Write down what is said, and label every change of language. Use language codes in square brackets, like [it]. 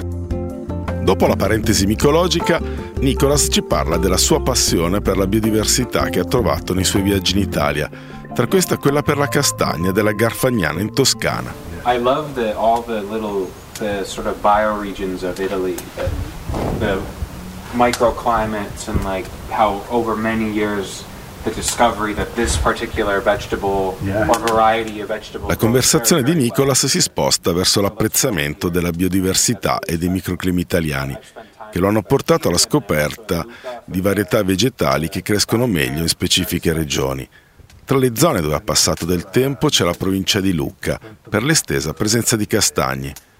[it] Dopo la parentesi micologica, Nicolas ci parla della sua passione per la biodiversità che ha trovato nei suoi viaggi in Italia, tra questa quella per la castagna della Garfagnana in Toscana. [en] I love all the sort of bioregions of Italy, the microclimates and like how over many years the discovery that this particular vegetable or variety of vegetable. [it] La conversazione di Nicolas si sposta verso l'apprezzamento della biodiversità e dei microclimi italiani, che lo hanno portato alla scoperta di varietà vegetali che crescono meglio in specifiche regioni. Tra le zone dove ha passato del tempo c'è la provincia di Lucca, per l'estesa presenza di castagne.